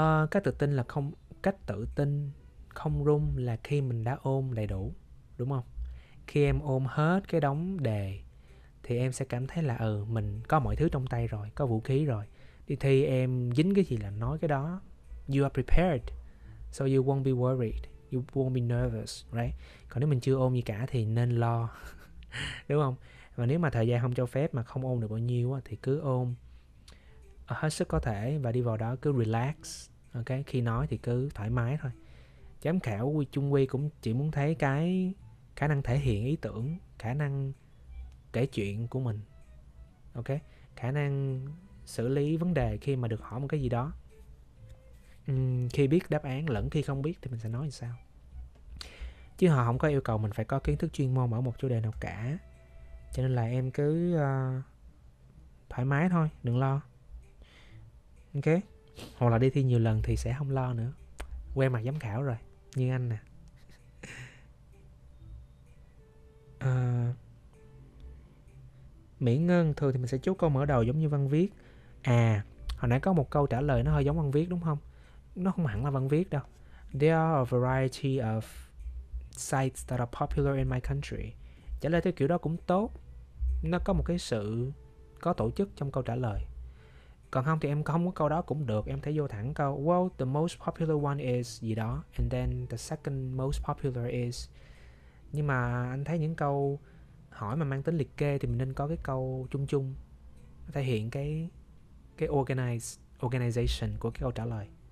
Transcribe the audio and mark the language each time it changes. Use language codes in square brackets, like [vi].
[vi] Cách tự tin không run là khi mình đã ôm đầy đủ, đúng không? Khi em ôm hết cái đống đề thì em sẽ cảm thấy là mình có mọi thứ trong tay rồi, có vũ khí rồi. Đi thi em dính cái gì là nói cái đó. [en] You are prepared, so you won't be worried, you won't be nervous, right? [vi] Còn nếu mình chưa ôm gì cả thì nên lo, đúng không? Và nếu mà thời gian không cho phép mà không ôm được bao nhiêu thì cứ ôm hết sức có thể và đi vào đó cứ relax. Ok, khi nói thì cứ thoải mái thôi. Giám khảo quy chung quy cũng chỉ muốn thấy cái khả năng thể hiện ý tưởng, khả năng kể chuyện của mình. Ok, khả năng xử lý vấn đề khi mà được hỏi một cái gì đó. Khi biết đáp án lẫn khi không biết thì mình sẽ nói làm sao. Chứ họ không có yêu cầu mình phải có kiến thức chuyên môn ở một chủ đề nào cả. Cho nên là em cứ thoải mái thôi, đừng lo. Ok, hoặc là đi thi nhiều lần thì sẽ không lo nữa. quen mặt giám khảo rồi, như anh nè. Mỹ Ngân, thường thì mình sẽ chốt câu mở đầu giống như văn viết. À, hồi nãy có một câu trả lời nó hơi giống văn viết đúng không? Nó không hẳn là văn viết đâu. [en] There are a variety of sites that are popular in my country. [vi] Trả lời theo kiểu đó cũng tốt. Nó có một cái sự có tổ chức trong câu trả lời. Còn không thì em không có câu đó cũng được. Em thấy vô thẳng câu, [en] well, the most popular one is [vi] gì đó. [en] And then the second most popular is. [vi] Nhưng mà anh thấy những câu hỏi mà mang tính liệt kê thì mình nên có cái câu chung chung thể hiện cái organization của cái câu trả lời.